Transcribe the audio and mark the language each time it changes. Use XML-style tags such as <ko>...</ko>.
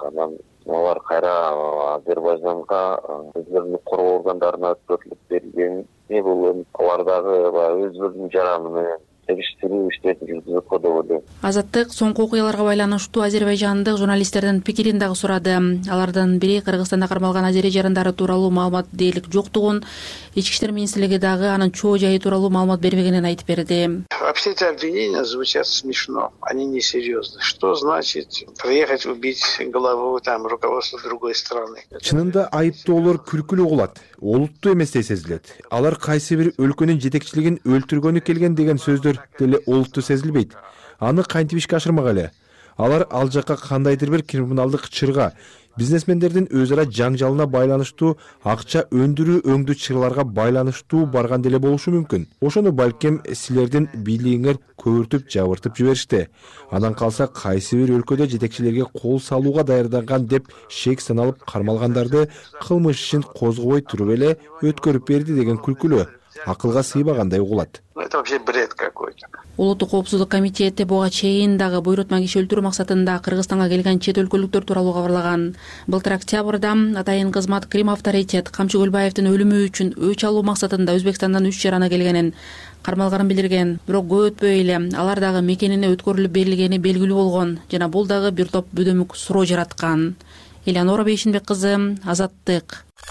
<ky>Анан алар кайра Азербайжанга өздөрүнүн коргоо органдарына өткөрүлүп берилген бүгүн алар дагы өздөрүнүн жараны менен териштирүү иштерин жүргүзүп коюп деп ойлойм. Азаттык соңку окуяларга байланыштуу азербайжандык журналисттердин пикирин дагы сурады. Алардын бири Кыргызстанда кармалган азери жарандары тууралуу маалымат дээрлик жоктугун, ички иштер министрлиги дагы анын чоо жайы тууралуу маалымат бербегенин айтып берди.</ky> <ru>Вообще эти обвинения звучат смешно, они не серьезны. Что значит приехать убить главу там руководства другой страны?</ru> <ky>Чынында айыптоолор күлкүлүү угулат, олуттуу эмес дей сезилет. Алар кайсы бир өлкөнүн жетекчилигин өлтүргөнү келген деген сөздөр деле олуттуу сезилбейт. Аны кантип ишке ашырмак эле? Алар ал жакка кандайдыр бир криминалдык чырга, бизнесмендердин өз ара жаңжалына байланыштуу акча өндүрүү өңдүү чырларга байланыштуу барган деле болушу мүмкүн. Ошону балким силердин бийлигиңер көөртүп жабыртып жиберишти. Анан калса кайсы бир өлкөдө жетекчилерге кол салууга даярданган деп шек саналып кармалгандарды кылмыш ишин козгобой туруп эле өткөрүп берди деген күлкүлүү. акылга сыйбагандай угулат.</ky> <ru>Это вообще бред какой-то.</ru> <ky>Улуттук коопсуздук комитети буга чейин дагы буйрутма киши өлтүрүү максатында Кыргызстанга келген чет өлкөлүктөр тууралуу кабарлаган. Былтыр октябрда атайын кызмат Крим авторитет Камчы Көлбаевдин өлүмү үчүн өч алуу максатында Өзбекстандан үч жараны келгенин кармалгарын билдирген. Бирок көп өтпөй эле алар дагы мекенине өткөрүлүп берилгени белгилүү болгон жана бул дагы бир топ бүдөмүк суроо жараткан. Элеонора Бейшенбек кызы, Азаттык.</ky>